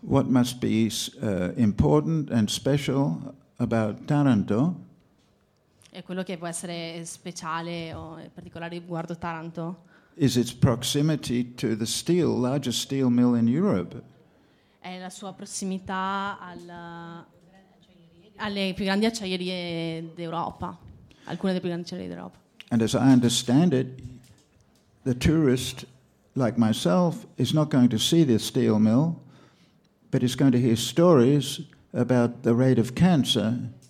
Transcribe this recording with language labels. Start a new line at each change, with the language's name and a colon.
English: What must be important and special about Taranto?
Italian: È quello che può essere speciale o particolare riguardo Taranto?
English: Is its proximity to the steel, largest steel mill in Europe?
Italian: È la sua prossimità alle più grandi acciaierie d'Europa, alcune delle più grandi acciaierie d'Europa.
English: And as I understand it, the tourist, like myself, is not going to see the steel mill, but is going to hear stories about the rate of cancer.